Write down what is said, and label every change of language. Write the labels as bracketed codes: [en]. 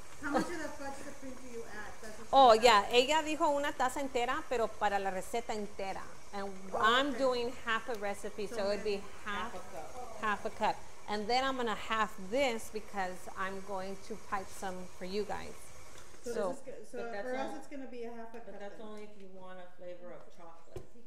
[en] how much of the fudge supreme do you add? Oh, yeah. [es] Ella dijo una taza entera, pero para la receta entera. [en] And I'm doing half a recipe, so it would be half a cup. And then I'm going to half this because I'm going to pipe some for you guys. So for us, it's going to be a half a cup. But that's only if you want a flavor of chocolate.